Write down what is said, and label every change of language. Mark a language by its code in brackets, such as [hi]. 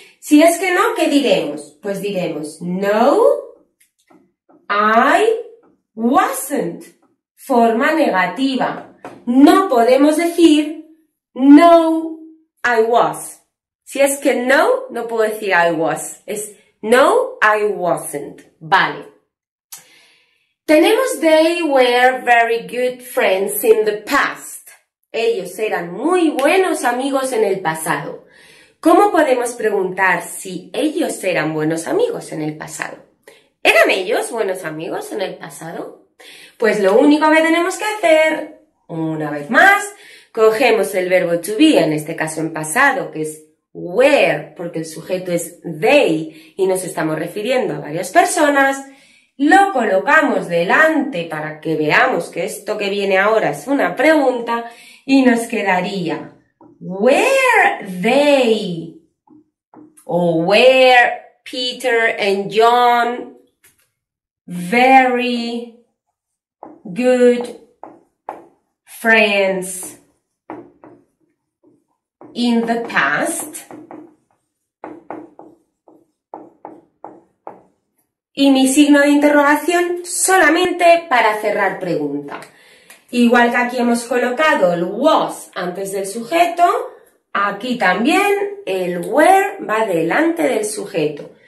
[es] Si es que no, ¿qué diremos? Pues diremos, [en] no, I wasn't, [es] forma negativa. No podemos decir, [en] no, I was. [es] Si es que no, no puedo decir [en] I was, [es] es [en] no, I wasn't, [es] vale. Tenemos, [en] they were very good friends in the past. [es] Ellos eran muy buenos amigos en el pasado. ¿Cómo podemos preguntar si ellos eran buenos amigos en el pasado? ¿Eran ellos buenos amigos en el pasado? Pues lo único que tenemos que hacer, una vez más, cogemos el verbo to be, en este caso en pasado, que es were, porque el sujeto es they y nos estamos refiriendo a varias personas. Lo colocamos delante para que veamos que esto que viene ahora es una pregunta y nos quedaría, [en] were they? O were Peter and John very good friends in the past? [es] Y mi signo de interrogación solamente para cerrar pregunta. Igual que aquí hemos colocado el was antes del sujeto, aquí también el were va delante del sujeto.